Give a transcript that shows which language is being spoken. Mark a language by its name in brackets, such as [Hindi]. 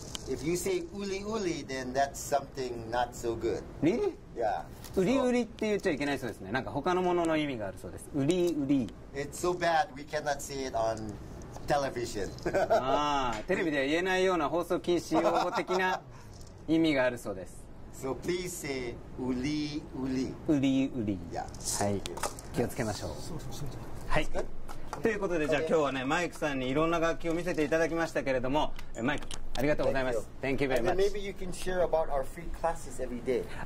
[English] If you say uli uli, then that's something not so good. Really? Yeah. [Japanese] Uli uli って言っちゃいけないそうですね。なんか他のものの意味があるそうです。 [English] Uli uli. It's so bad we cannot say it on television. [Japanese] テレビでは言えないような放送禁止用語的な意味があるそうです。 [English] So please say uli uli. Uli uli. Yeah. [Japanese] はい。気をつけましょう。そうそうそう。はい。ということで、じゃあ今日はね、マイクさんにいろんな楽器を見せていただきましたけれども、マイク、ありがとうございます。 [English] Thank you very much. And maybe you can share about our free classes every day.